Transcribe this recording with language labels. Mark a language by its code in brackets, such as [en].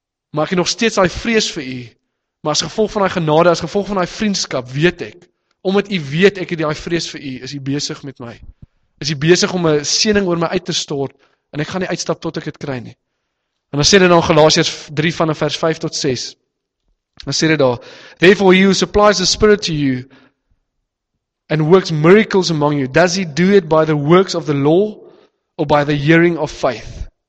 [af] Maar ek het nog steeds daai vrees vir u, maar as gevolg van daai genade, as gevolg van daai vriendskap, weet ek, omdat u weet ek het daai vrees vir u, is u besig met my. Is u besig om 'n seëning oor my uit te stort, en ek gaan nie uitstap tot ek dit kry nie. En dan sê dit dan Galasiërs 3 van vers 5 tot 6. Dan sê dit daar, [en] Therefore he who supplies the Spirit to you and works miracles among you, does he do it by the works of the law or by the hearing of faith?